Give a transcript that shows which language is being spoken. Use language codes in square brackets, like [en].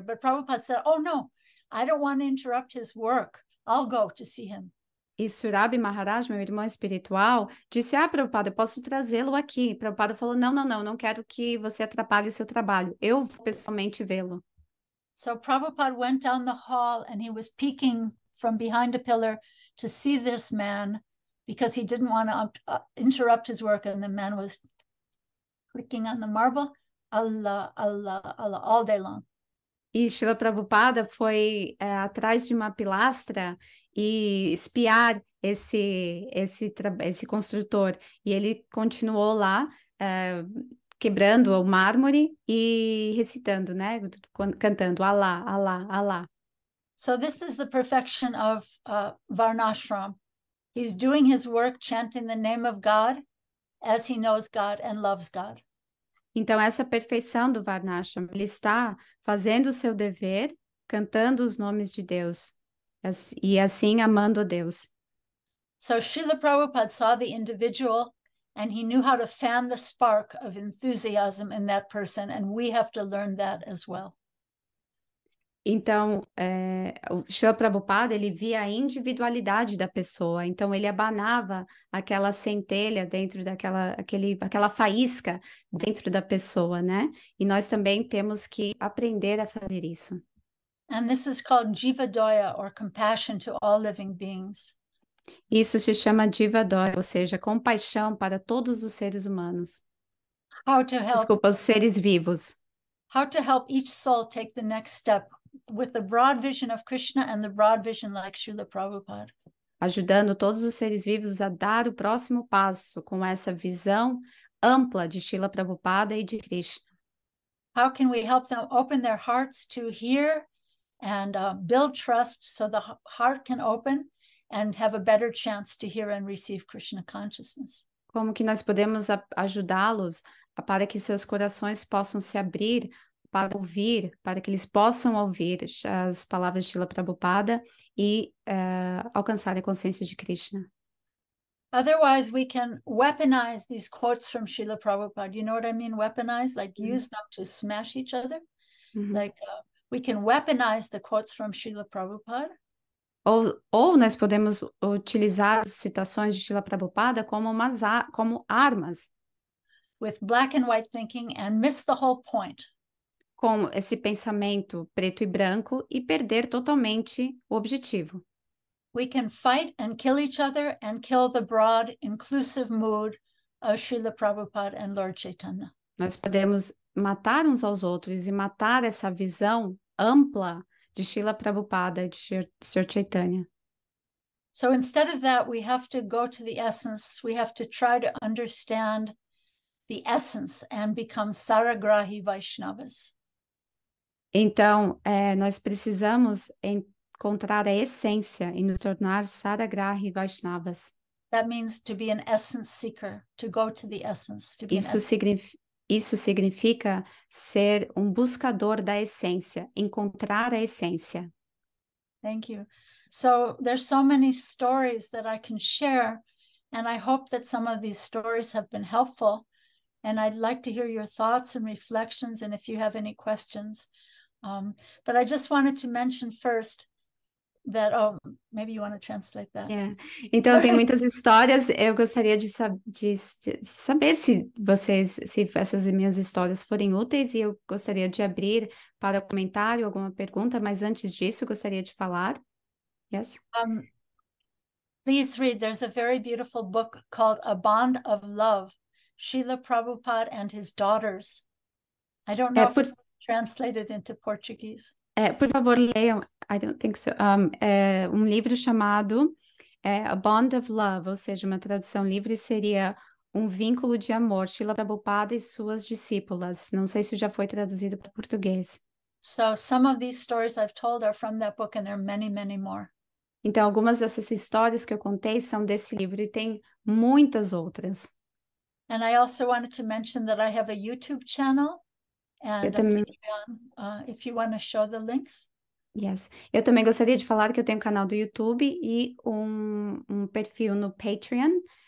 [en] But Prabhupada said, oh, no, I don't want to interrupt his work. I'll go to see him. [pt] E Surabhi Maharaj, meu irmão espiritual, disse, ah, Prabhupada, eu posso trazê-lo aqui. E Prabhupada falou, não, não, não, não quero que você atrapalhe o seu trabalho. Eu vou pessoalmente vê-lo. [en] So Prabhupada went down the hall and he was peeking from behind a pillar to see this man because he didn't want to interrupt his work, and the man was clicking on the marble, Allah, Allah, Allah, all day long. [pt] E Srila Prabhupada foi atrás de uma pilastra e espiar esse construtor. E ele continuou lá, quebrando o mármore e recitando, né? Cantando, Alá, Alá, Alá. [en] So this is the perfection of Varnashram. He's doing his work chanting the name of God as he knows God and loves God. [pt] Então, essa perfeição do Varnashram, ele está fazendo o seu dever, cantando os nomes de Deus, e assim amando a Deus. [en] So Srila Prabhupada saw the individual, and he knew how to fan the spark of enthusiasm in that person, and we have to learn that as well. [pt] Então, o Srila Prabhupada, ele via a individualidade da pessoa, então ele abanava aquela centelha dentro aquela faísca dentro da pessoa, né? E nós também temos que aprender a fazer isso. [en] And this is called jivadoya, or compassion to all living beings. [pt] Isso se chama jivadoya, ou seja, compaixão para todos os seres humanos. [en] How to help, [pt] desculpa, os seres vivos. [en] How to help each soul take the next step with the broad vision of Krishna and the broad vision like Srila Prabhupada. [pt] Ajudando todos os seres vivos a dar o próximo passo com essa visão ampla de Srila Prabhupada e de Krishna. [en] How can we help them open their hearts to hear and build trust so the heart can open and have a better chance to hear and receive Krishna consciousness? [pt] Como que nós podemos ajudá-los para que seus corações possam se abrir para ouvir, para que eles possam ouvir as palavras de Srila Prabhupada e alcançar a consciência de Krishna? [en] Otherwise, we can weaponize these quotes from Srila Prabhupada. You know what I mean? Weaponize, like use them to smash each other. Mm-hmm. Like we can weaponize the quotes from Srila Prabhupada. [pt] Ou nós podemos utilizar as citações de Srila Prabhupada como armas. [en] With black and white thinking and miss the whole point. [pt] Com esse pensamento preto e branco e perder totalmente o objetivo. [en] We can fight and kill each other and kill the broad, inclusive mood of Srila Prabhupada and Lord Chaitanya. [pt] Nós podemos matar uns aos outros e matar essa visão ampla de Srila Prabhupada e de Sr. Chaitanya. [en] So instead of that, we have to go to the essence. We have to try to understand the essence and become Saragrahi Vaishnavas. [pt] Então, nós precisamos encontrar a essência e nos tornar Saragrahi Vaishnavas. [en] That means to be an essence seeker, to go to the essence. To be [pt] isso significa ser buscador da essência, encontrar a essência. [en] Thank you. So there's so many stories that I can share, and I hope that some of these stories have been helpful. And I'd like to hear your thoughts and reflections, and if you have any questions. But I just wanted to mention first that, maybe you want to translate that. [pt] Yeah. Então, tem muitas histórias. Eu gostaria de saber se essas minhas histórias forem úteis, e eu gostaria de abrir para comentário ou alguma pergunta, mas antes disso, eu gostaria de falar. [en] Yes? Please read. There's a very beautiful book called A Bond of Love, Srila Prabhupada and His Daughters. I don't know if it's translated into Portuguese. [pt] Por favor, leiam. [en] I don't think so. [pt] Livro chamado A Bond of Love, ou seja, uma tradução livre seria vínculo de amor, Srila Prabhupada e suas discípulas. Não sei se já foi traduzido para português. [en] So some of these stories I've told are from that book, and there are many, many more. [pt] Então, algumas dessas histórias que eu contei são desse livro e tem muitas outras. [en] And I also wanted to mention that I have a YouTube channel and Patreon, if you want to show the links. Yes. [pt] Eu também gostaria de falar que eu tenho um canal do YouTube e perfil no Patreon.